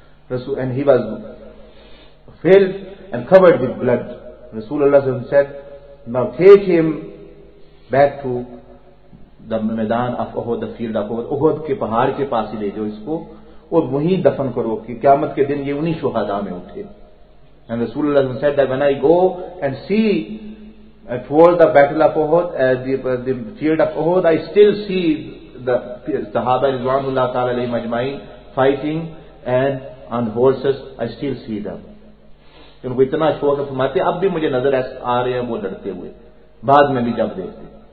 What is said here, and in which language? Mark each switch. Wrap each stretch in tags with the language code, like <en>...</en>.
<en>رسول and he was filled and covered with blood.</en> <ur>رسول اللہ صلی اللہ علیہ وسلم</ur> <en>said now take him back to the میدان of Uhud,</en> <ur>the field of احد, احد کے پہاڑ کے پاس ہی لے جاؤ اس کو اور وہیں دفن کرو کہ قیامت کے دن یہ انہیں شہداء میں اٹھے.</ur> <en>And رسول اللہ صلی اللہ علیہ وسلم said that when I go and see towards the battle of Uhud, the field of Uhud, I still see the Sahaba Rizwanullah Ta'ala alayhim ajma'in fighting and on horses, I still see them.</en> <ur>ان کو اتنا شوق ہے, فرماتے اب بھی مجھے نظر آ رہے ہیں وہ لڑتے ہوئے, بعد میں بھی جب دیکھتے.</ur>